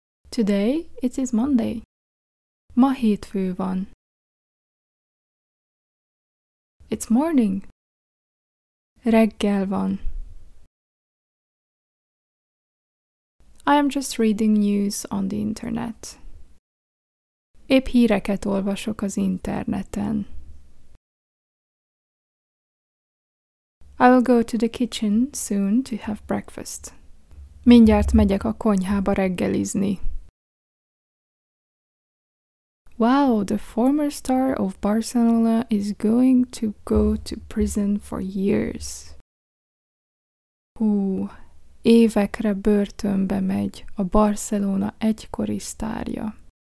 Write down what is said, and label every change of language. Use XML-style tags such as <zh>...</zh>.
<en>Today it is Monday.</en> <hu>Ma hétfő van.</hu> <en>It's morning.</en> <hu>Reggel van.</hu> <en>I am just reading news on the internet.</en> <hu>Épp híreket olvasok az interneten.</hu> <en>I will go to the kitchen soon to have breakfast.</en> <hu>Mindjárt megyek a konyhába reggelizni.</hu> <en>Wow, the former star of Barcelona is going to go to prison for years.</en> <hu>Évekre börtönbe megy a Barcelona egykori sztárja.</hu>